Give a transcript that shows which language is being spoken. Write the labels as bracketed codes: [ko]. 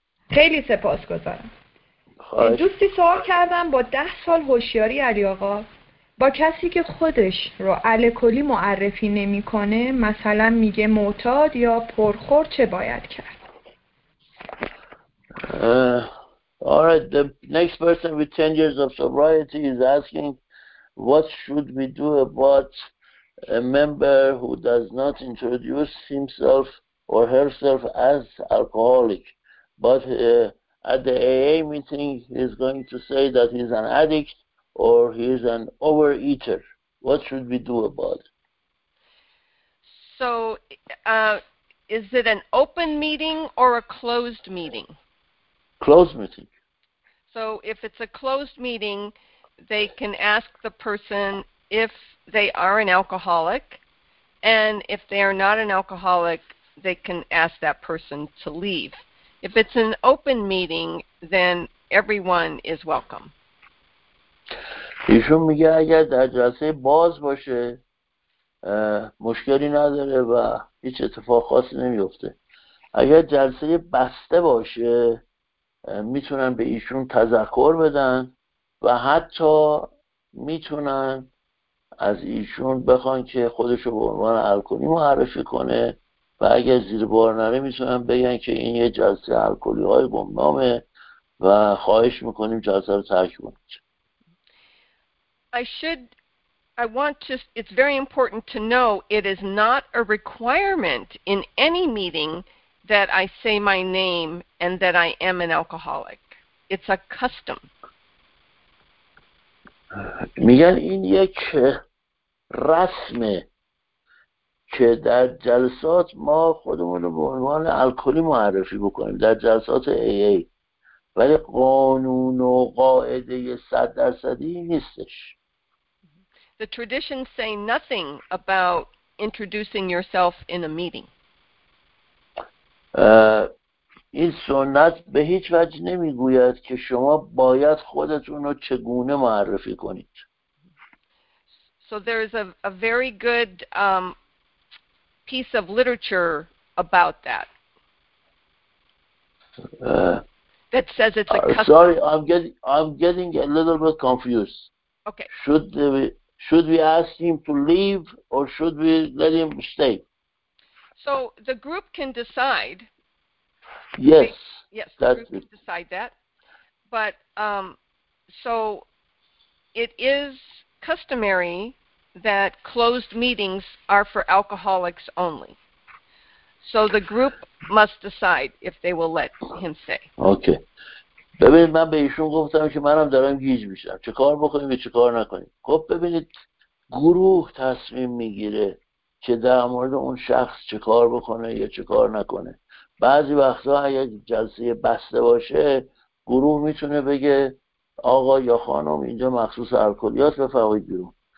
[fa] خیلی سپاسگزارم. دوستی سوال کردم با 10 سال هوشیاری علی آقا، با کسی که خودش رو الکلی معرفی نمی کنه، مثلا میگه معتاد یا پرخور، چه باید کرد؟ [en] Alright, the next person with 10 years of sobriety is asking what should we do about a member who does not introduce himself or herself as alcoholic. But at the AA meeting, he's going to say that he's an addict or he's an overeater. What should we do about it? So, is it an open meeting or a closed meeting? Closed meeting. So, if it's a closed meeting, they can ask the person if they are an alcoholic, and if they are not an alcoholic, they can ask that person to leave. If it's an open meeting, then everyone is welcome. [fa] ایشون میگه اگر در جلسه باز باشه مشکلی نداره و هیچ اتفاق خاصی نمیفته. اگر جلسه بسته باشه میتونن به ایشون تذکر بدن و حتی میتونن از ایشون بخوان که خودشو به عنوان الکلی معرفی کنه. و اگر زیر بار نره میتونم بگن که این یه جلسه الکلی های گمنامه و خواهش میکنیم جلسه رو ترک کنید. [en] It's very important to know it is not a requirement in any meeting that I say my name and that I am an alcoholic. It's a custom. [fa] میگن این یک رسمه که در جلسات ما خودمون رو به عنوان الکلی معرفی بکنیم، در جلسات AA، ولی قانون و قاعده 100% نیستش. [en] The traditions say nothing about introducing yourself in a meeting. [fa] این سنت به هیچ وجه نمیگوید که شما باید خودتون رو چگونه معرفی کنید. [en] So there is a very good piece of literature about that. That says it's a custom. Sorry, I'm getting a little bit confused. Okay. Should the Should we ask him to leave or should we let him stay? So the group can decide. Yes. Yes, the group can decide that. But so it is customary that closed meetings are for alcoholics only. So the group must decide if they will let him stay. Okay. [fa] ببینید من به ایشون گفتم که منم دارم گیج میشم. چه کار بکنیم و چه کار نکنیم. خب ببینید گروه تصمیم میگیره که در مورد اون شخص چه کار بکنه یا چه کار نکنه. بعضی وقتا اگر جلسه بسته باشه گروه میتونه بگه آقا یا خانم اینجا مخصوص الکلیات بفرمایید بیرون.